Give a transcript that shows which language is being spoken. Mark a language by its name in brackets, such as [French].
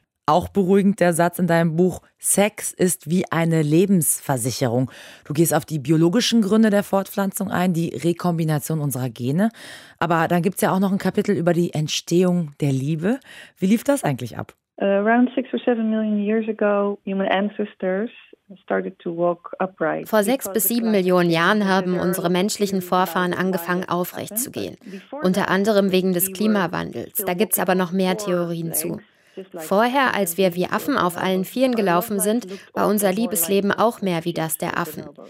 [German] Auch beruhigend der Satz in deinem Buch, Sex ist wie eine Lebensversicherung. Du gehst auf die biologischen Gründe der Fortpflanzung ein, die Rekombination unserer Gene. Aber dann gibt es ja auch noch ein Kapitel über die Entstehung der Liebe. Wie lief das eigentlich ab? [English] Around 6 or 7 million years ago, human ancestors started to walk upright. [German] Vor 6 bis 7 Millionen Jahren haben unsere menschlichen Vorfahren angefangen, aufrecht zu gehen. Unter anderem wegen des Klimawandels. Da gibt es aber noch mehr Theorien zu. Vorher, als wir wie Affen auf allen Vieren gelaufen sind, war unser Liebesleben auch mehr wie das der Affen.